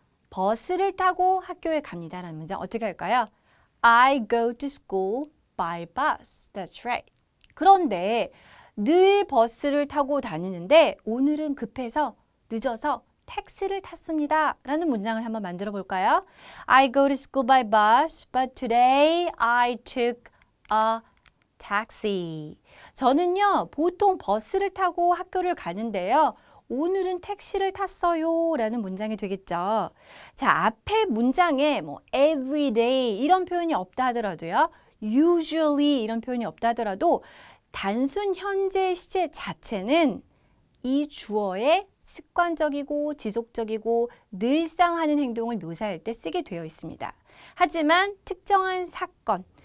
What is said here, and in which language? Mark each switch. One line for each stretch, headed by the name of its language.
Korean: 버스를 타고 학교에 갑니다 라는 문장 어떻게 할까요?
English: I go to school by bus. That's right.
Korean: 그런데 늘 버스를 타고 다니는데 오늘은 급해서 늦어서 택시를 탔습니다 라는 문장을 한번 만들어 볼까요?
English: I go to school by bus, but today I took a taxi.
Korean: 저는요, 보통 버스를 타고 학교를 가는데요, 오늘은 택시를 탔어요 라는 문장이 되겠죠. 자, 앞에 문장에 뭐 everyday 이런 표현이 없다 하더라도요, usually 이런 표현이 없다 하더라도 단순 현재 시제 자체는 이 주어의 습관적이고 지속적이고 늘상 하는 행동을 묘사할 때 쓰게 되어 있습니다. 하지만 특정한 사건